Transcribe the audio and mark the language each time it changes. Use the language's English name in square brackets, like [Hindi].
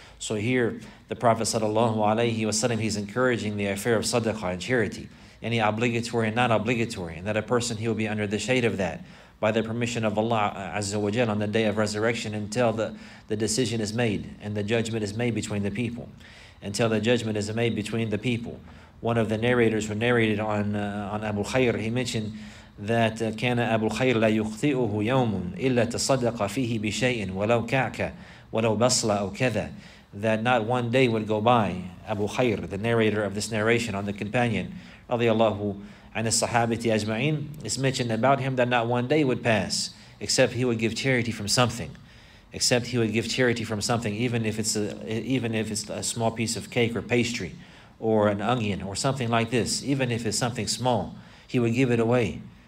[English] So here, the Prophet sallallahu alayhi wa sallam, he's encouraging the affair of sadaqah and charity. Any obligatory and non-obligatory. And that a person, he will be under the shade of that by the permission of Allah azza wa jal on the day of resurrection until the decision is made and the judgment is made between the people. Until the judgment is made between the people. One of the narrators who narrated on Abu Khair, he mentioned that [Arabic] كَانَ أَبُو الْخَيْرِ لَا يُخْطِئُهُ يَوْمٌ إِلَّا تَصَدَّقَ فِيهِ بِشَيْءٍ وَلَوْ كَعْكَ وَلَوْ بَصْلَ أَوْ كَذَا. [English] That not one day would go by, Abu Khair, the narrator of this narration on the companion, radiallahu anhu as-sahabati ajma'in, it's mentioned about him that not one day would pass except he would give charity from something. Except he would give charity from something, even if it's a small piece of cake or pastry or an onion or something like this, even if it's something small, he would give it away.